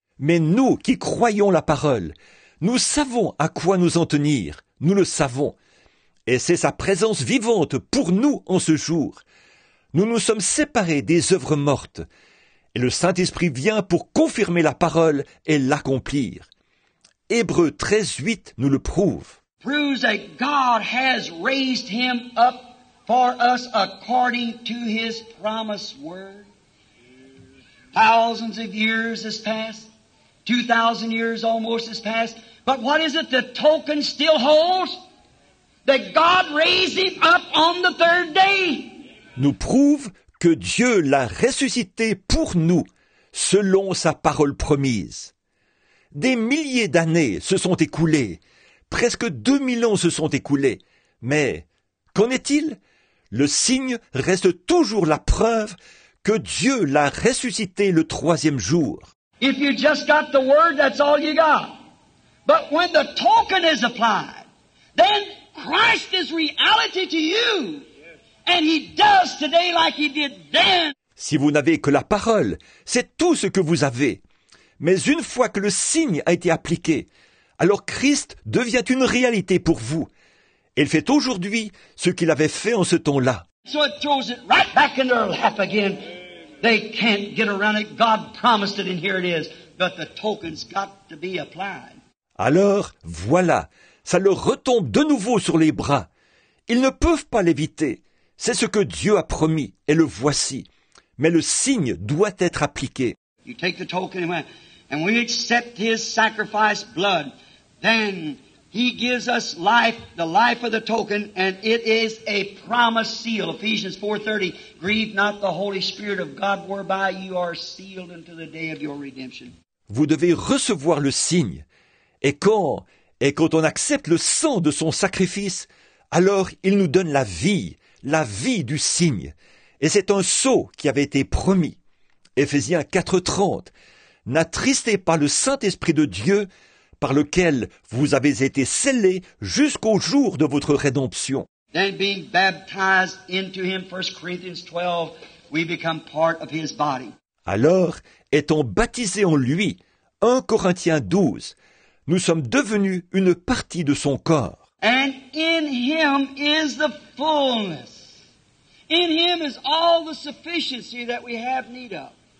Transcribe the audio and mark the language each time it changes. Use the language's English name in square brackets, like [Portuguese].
[French] Mais nous qui croyons la parole, nous savons à quoi nous en tenir. Nous le savons. Et c'est sa présence vivante pour nous en ce jour. Nous nous sommes séparés des œuvres mortes. Et le Saint-Esprit vient pour confirmer la parole et l'accomplir. Hébreux 13:8 nous le prouve. [English] proves that God has raised him up for us according to his promised word. Thousands of years has passed, 2,000 years almost has passed, but what is it the token still holds? That God raised him up on the third day. [French] Nous prouve que Dieu l'a ressuscité pour nous, selon sa parole promise. Des milliers d'années se sont écoulées, presque 2000 ans se sont écoulés, mais qu'en est-il? Le signe reste toujours la preuve que Dieu l'a ressuscité le troisième jour. [English] If you just got the word, that's all you got. But when the token is applied, then Christ is reality to you. And he does today like he did then. [French] Si vous n'avez que la parole, c'est tout ce que vous avez. Mais une fois que le signe a été appliqué, alors Christ devient une réalité pour vous. Il fait aujourd'hui ce qu'il avait fait en ce temps-là. [English] So it throws it right back in their lap again. They can't get around it. God promised it and here it is. But the token's got to be applied. [French] Alors, voilà, ça leur retombe de nouveau sur les bras. Ils ne peuvent pas l'éviter. C'est ce que Dieu a promis, et le voici. Mais le signe doit être appliqué. [English] You take the token and we accept his sacrificed blood, then he gives us life, the life of the token, and it is a promise seal. Ephesians 4:30, grieve not the Holy Spirit of God, whereby you are sealed unto the day of your redemption. [French] Vous devez recevoir le signe. Et quand on accepte le sang de son sacrifice, alors il nous donne la vie. La vie du signe, et c'est un sceau qui avait été promis. Éphésiens 4:30, n'attristez pas le Saint-Esprit de Dieu par lequel vous avez été scellés jusqu'au jour de votre rédemption. [English] Then being baptized into him, 1 Corinthians 12, we become part of his body. [French] Alors, étant baptisés en lui, 1 Corinthiens 12, nous sommes devenus une partie de son corps. [English] And in him is the fullness. In him is all the sufficiency that we have need of.